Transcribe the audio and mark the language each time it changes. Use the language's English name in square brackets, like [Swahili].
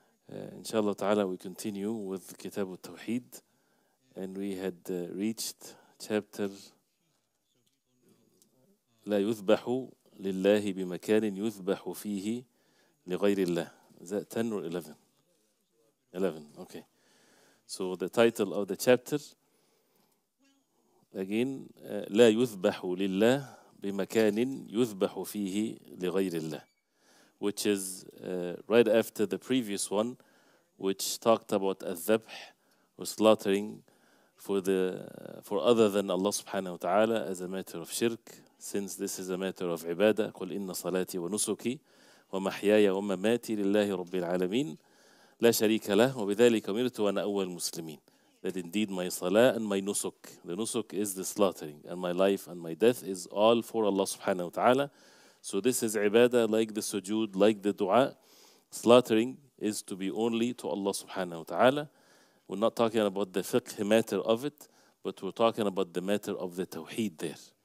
[Arabic] إن شاء الله تعالى [English] we continue with [Arabic] كتاب التوحيد [English] and we had reached chapter [Arabic] لا يذبح لله بمكان يذبح فيه لغير الله. [English] Is that 10 or 11? 11, okay. So the title of the chapter, again, [Arabic] لا يذبح لله بمكان يذبح فيه لغير الله. [English] Which is right after the previous one, which talked about الذبح or slaughtering for other than Allah subhanahu wa ta'ala as a matter of shirk. Since this is a matter of ibadah, [Arabic] قُلْ إِنَّ صَلَاتِي وَنُسُكِي وَمَحْيَايَ وَمَمَاتِي لِلَّهِ رَبِّ الْعَالَمِينَ لَا شَرِيكَ لَهُ وَبِذَلِكَ أُمِرْتُ وَأَنَا أَوَّلُ الْمُسْلِمِينَ. [English] That indeed my salah and my nusuk. The nusuk is the slaughtering, and my life and my death is all for Allah subhanahu wa ta'ala. So this is ibadah, like the sujood, like the dua. Slaughtering is to be only to Allah subhanahu wa ta'ala. We're not talking about the fiqh matter of it, but we're talking about the matter of the tawheed there.